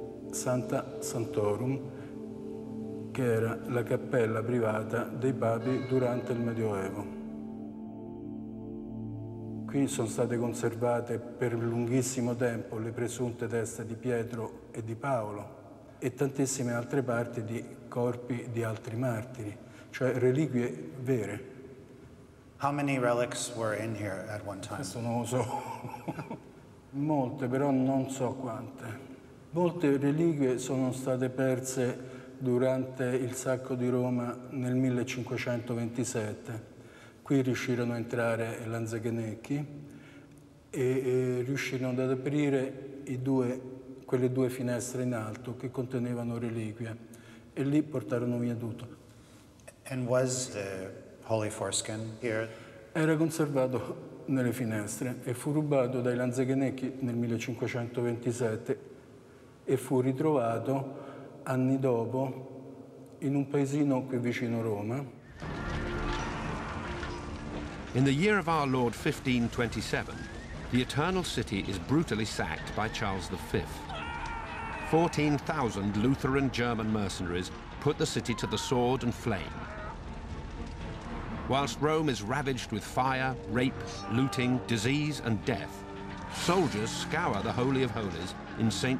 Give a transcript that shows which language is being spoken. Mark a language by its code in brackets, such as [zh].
[it] Santa Sanctorum, che era la cappella privata dei papi durante il Medioevo. Qui sono state conservate per lunghissimo tempo le presunte teste di Pietro e di Paolo e tantissime altre parti di corpi di altri martiri, cioè reliquie vere. [en] How many relics were in here at one time? [it] Questo non lo so. Molte, però non so quante. Molte reliquie sono state perse durante il sacco di Roma nel 1527. Qui riuscirono a entrare Lanzichenecchi e riuscirono ad aprire quelle due finestre in alto che contenevano reliquie e lì portarono via tutto. [en] And was the Holy Foreskin here? [it] Era conservato nelle finestre e fu rubato dai Lanzichenecchi nel 1527. E fu ritrovato anni dopo in un paesino qui vicino Roma. [en] In the year of our Lord 1527, the Eternal City is brutally sacked by Charles V. 14,000 Lutheran German mercenaries put the city to the sword and flame. Whilst Rome is ravaged with fire, rape, looting, disease, and death, soldiers scour the Holy of Holies in St.